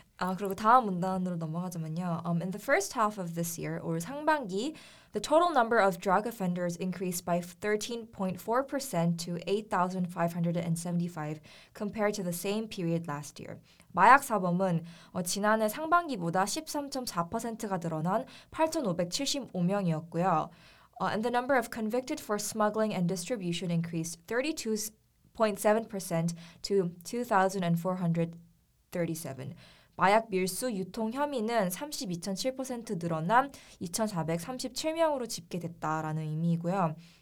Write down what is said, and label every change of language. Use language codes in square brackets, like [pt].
[ko] 그리고 다음 문단으로 넘어가자면요. [en] In the first half of this year, or 상반기, the total number of drug offenders increased by 13.4% to 8,575 compared to the same period last year. [ko] 마약 사범은 지난해 상반기보다 13.4%가 늘어난 8,575명이었고요. [en] And the number of convicted for smuggling and distribution increased 32.7% to 2,437. [ko] 마약 밀수 유통 혐의는 32.7% 늘어난 2,437명으로 집계됐다라는 의미이고요.